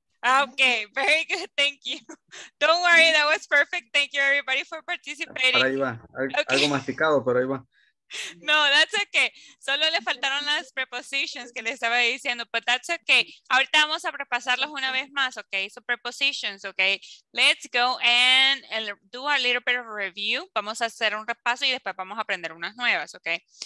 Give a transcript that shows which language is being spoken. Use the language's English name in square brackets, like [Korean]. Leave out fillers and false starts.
[English] Okay, very good. Thank you. Don't worry, that was perfect. Thank you, everybody, for participating. [Spanish] Ahí va. Okay. Algo masticado, pero ahí va. [English] No, that's okay. [Spanish] Solo le faltaron las prepositions que le estaba diciendo, [English] but that's okay. [Spanish] Ahorita vamos a repasarlos una vez más, okay? [English] So prepositions, okay? Let's go and do a little bit of a review. [Spanish] Vamos a hacer un repaso y después vamos a aprender unas nuevas, okay?